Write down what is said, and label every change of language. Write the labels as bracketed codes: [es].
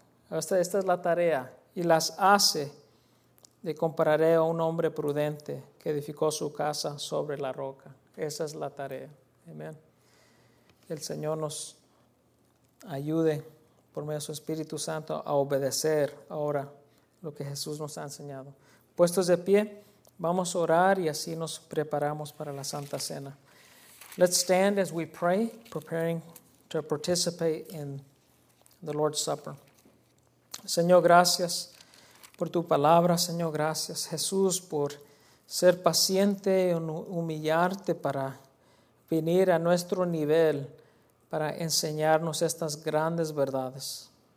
[es] Esta es la tarea. Y las hace. Le compararé a un hombre prudente que edificó su casa sobre la roca. Esa es la tarea. Amén. El Señor nos ayude por medio de su Espíritu Santo a obedecer ahora lo que Jesús nos ha enseñado. Puestos de pie, vamos a orar y así nos preparamos para la Santa Cena. [en] Let's stand as we pray, preparing to participate in the Lord's Supper. [es] Señor, gracias por tu palabra, Señor, gracias, Jesús, por ser paciente y humillarte para venir a nuestro nivel para enseñarnos estas grandes verdades.